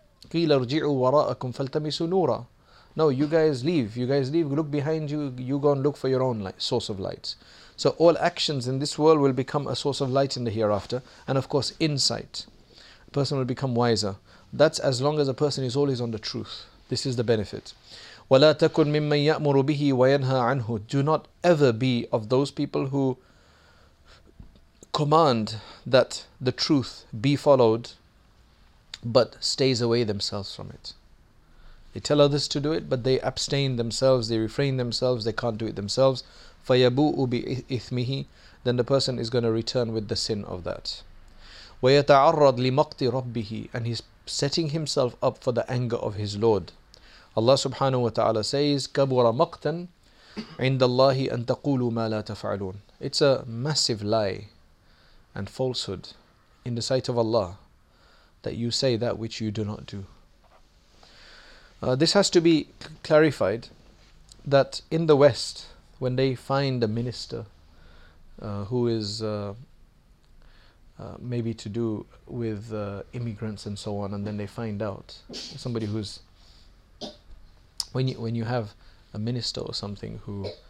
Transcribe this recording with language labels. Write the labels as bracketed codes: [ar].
[ar] قيل ارجعوا وراءكم فالتمسوا نورا. [en] No, you guys leave. You guys leave. Look behind you. You go and look for your own light, source of light. So all actions in this world will become a source of light in the hereafter. And of course, insight. A person will become wiser. That's as long as a person is always on the truth. This is the benefit. [ar] ولا تكن ممن يأمر به وينهى عنه. [en] Do not ever be of those people who command that the truth be followed, but stays away themselves from it. They tell others to do it, but they abstain themselves, they refrain themselves, they can't do it themselves. [ar] فَيَبُوءُ بِإِثْمِهِ. [en] Then the person is going to return with the sin of that. [ar] وَيَتَعَرَّضْ لِمَقْتِ رَبِّهِ. [en] And he's setting himself up for the anger of his Lord. Allah subhanahu wa ta'ala says, [ar] كَبُرَ مَقْتًا عِنْدَ اللَّهِ أَن تَقُولُوا مَا لَا تَفْعَلُونَ. [en] It's a massive lie and falsehood in the sight of Allah that you say that which you do not do. This has to be clarified that in the West, when they find a minister who is maybe to do with immigrants and so on, and then they find out somebody who's, when you have a minister or something who